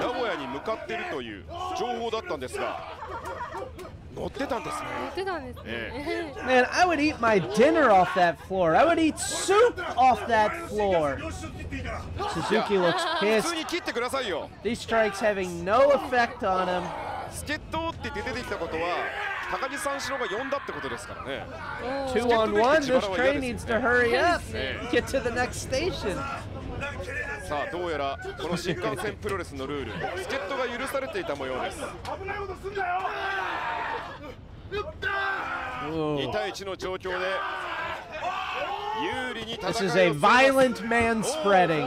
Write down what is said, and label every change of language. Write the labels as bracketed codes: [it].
[ja] 名古屋に向かってるという情報だったんですが、乗ってたんですね。乗ってたんですね。 [en] Man, I would eat my dinner off that floor. I would eat soup off that floor. Suzuki looks pissed. [ja] 普通に切ってくださいよ。 [en] These strikes having no effect on him. [ja] スケットって出てきたことは高木三四郎が呼んだってことですからね。 [en] 2-on-1, this train needs to hurry up. Get to the next station. [ja] さあどうやらこの新幹線プロレスのルール助っ人が許されていた模様です。危ないことすんだよ。 2対1の状況で有利に戦いをする。 [en] This is a violent man spreading.